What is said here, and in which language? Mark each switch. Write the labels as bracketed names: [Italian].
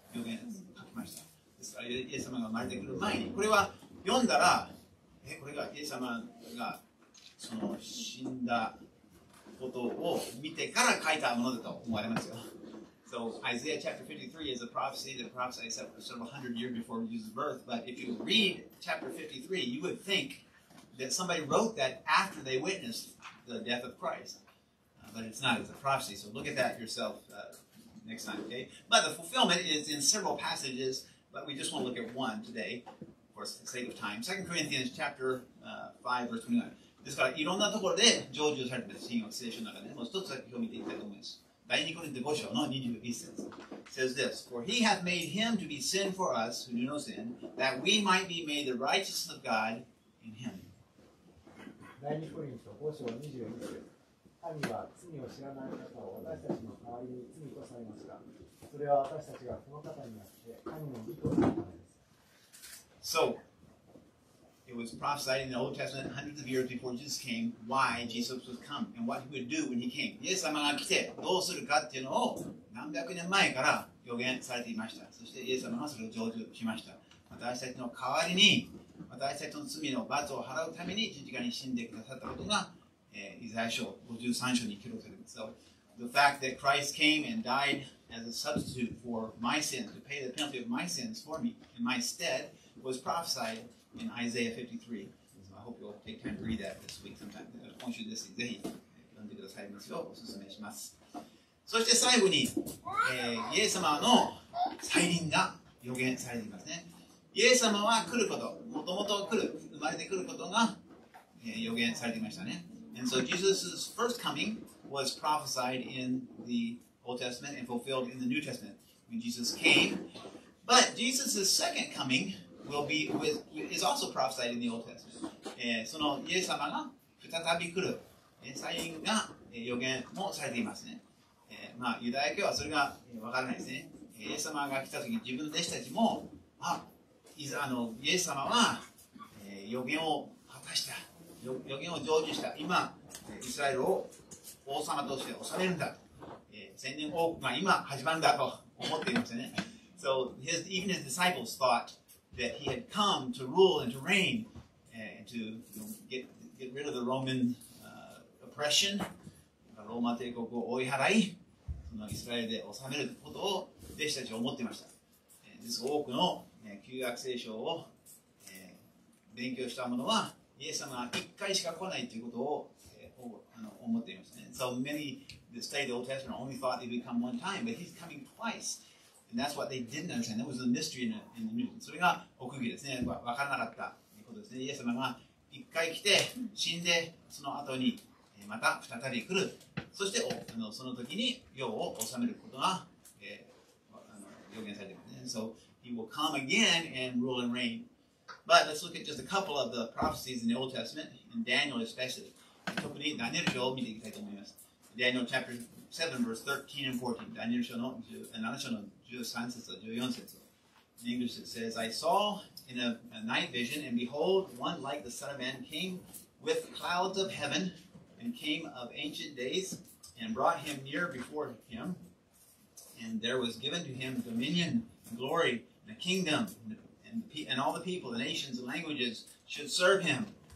[Japanese] 予言書きました。ですから、イエス様が生まれてくる前に、これは読んだら、これがイエス様がその死んだことを見てから書いたものだと思われますよ。 [English] So Isaiah chapter 53 is a prophecy that prophesied sort of 100 years before Jesus' birth. But if you read chapter 53, you would think that somebody wrote that after they witnessed the death of Christ. But it's not. It's a prophecy. So look at that yourself next time, okay? But the fulfillment is in several passages, but we just want to look at one today for the sake of time. 2 Corinthians chapter 5, verse 29. [Japanese] ですから、いろんなところで成就されている新約聖書の中で、もう一つだけ見ていきたいと思います。第2コリント5章の21節。 [English] says this, For he hath made him to be sin for us, who knew no sin, that we might be made the righteousness of God in him. [Japanese] 第2コリント5章21節。神は罪を知らない方を私たちの代わりに罪とされますが、それは私たちがこの方になって神の義とされたのです。 [English] So,It was prophesied in the Old Testament hundreds of years before Jesus came, why Jesus would come and what he would do when he came. [Japanese] イエス様が来てどうするかっていうのを何百年前から予言されていました。そしてイエス様がそれを成就しました。私たちの代わりに、私たちの罪の罰を払うために十字架に死んでくださったことが、イザヤ書53章に記録されています。 [English] So, the fact that Christ came and died as a substitute for my sins, to pay the penalty of my sins for me in my stead, was prophesied. In Isaiah 53. So I hope you'll take time to read that this week sometime. [Japanese] 今週ですね、ぜひ読んでくださいますようお勧めします。そして最後に、イエス様の再臨が予言されていますね。イエス様は来ること、もともと来る、生まれてくることが、予言されていましたね。 [English] And so Jesus' first coming was prophesied in the Old Testament and fulfilled in the New Testament when Jesus came. But Jesus' second comingWill be with, is also prophesied in the Old Testament. [Japanese] そのイエス様が再び来る、再臨が、予言もされていますね。まあ、ユダヤ教はそれが、分からないですね。イエス様が来た時、自分の弟子たちも、イエス様は、予言を果たした、予言を成就した、今、イスラエルを王様として治めるんだと、千年王国が今始まるんだと思っていますね。 [English] So, his, even his disciples thoughtThat he had come to rule and to reign and to you know, get rid of the Roman oppression. [Japanese] ローマ帝国を追い払い、そのイスラエルで治めることを弟子たちは思っていました。です多くの、旧約聖書を、勉強した者は、イエス様は一回しか来ないということを、思っていました、ね。 [English] So many that studied the Old Testament only thought he'd come one time, but he's coming twice. And that's what they didn't understand. That was a mystery in the news. [Japanese] それが奥義ですね。分からなかったことですね。イエス様が一回来て、死んで、その後にまた再び来る。そして、その時に世を治めることが、予言されています、ね。 [English] And、so he will come again and rule and reign. But let's look at just a couple of the prophecies in the Old Testament, in Daniel especially. [Japanese] 特にダニエル書を見ていきたいと思います。 [English] Daniel chapter 7, verse 13 and 14. [Japanese] ダニエル書の7章の13節と14節。 [English] In English it says, I saw in a night vision, and behold, one like the Son of Man came with clouds of heaven, and came of ancient days, and brought him near before him. And there was given to him dominion, and glory, and a kingdom, and all the people, the nations, and languages should serve him.